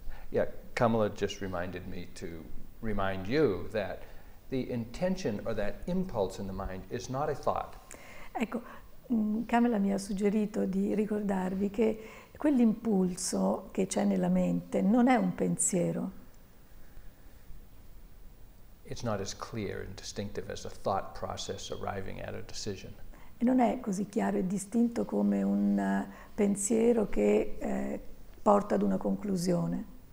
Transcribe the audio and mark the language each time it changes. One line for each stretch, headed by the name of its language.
English: Yeah, Kamala just reminded me to remind you that the intention or that impulse in the mind is not a thought.
Italian: Ecco, Kamala mi ha suggerito di ricordarvi che quell'impulso che c'è nella mente non è un pensiero.
English: It's not as clear and distinctive as a thought process arriving at a decision.
Italian: E non è così chiaro e distinto come un pensiero che porta ad una conclusione.